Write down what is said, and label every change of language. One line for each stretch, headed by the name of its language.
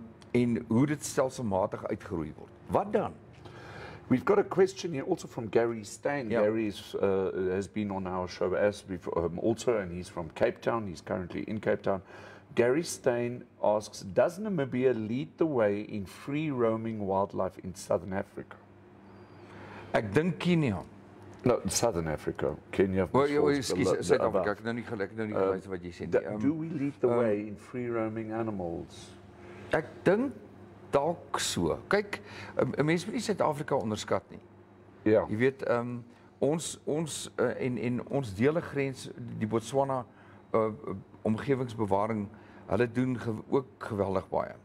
Afrikaans: En hoe dit stelselmatig uitgeroei word. Wat dan?
English: We've got a question here also from Gary Stein. Yep. Gary has been on our show as before also and he's from Cape Town. He's currently in Cape Town. Gary Stein asks, does Namibia lead the way in free roaming wildlife in Southern Africa?
Afrikaans: Ek dink Kenia.
English: No, Southern Africa, Kenya. Do we lead the way in free roaming animals?
Afrikaans: Ek dink dalk so. Kyk, 'n mens moet nie Suid-Afrika onderskat nie. Ja. Jy weet, ons ons dele grens die Botswana omgewingsbewaring, hulle doen ook geweldig baie.